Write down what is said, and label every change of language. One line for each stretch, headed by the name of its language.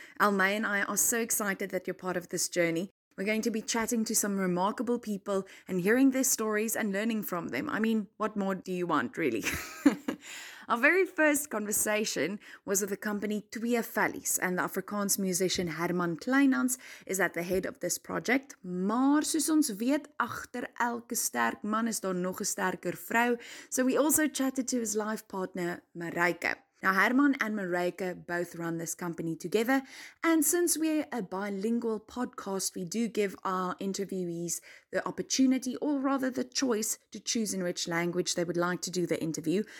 English: Almay and I are so excited that you're part of this journey. We're going to be chatting to some remarkable people and hearing their stories and learning from them. I mean, what more do you want, really? Our very first conversation was with the company Twee Fallies, and the Afrikaans musician Herman Kleinans is at the head of this project.
Afrikaans: Maar soos ons weet, agter elke sterk man is daar nog 'n sterker vrou.
English: So we also chatted to his life partner, Marijke. Now, Herman and Marijke both run this company together, and since we're a bilingual podcast, we do give our interviewees the opportunity, or rather the choice, to choose in which language they would like to do the interview.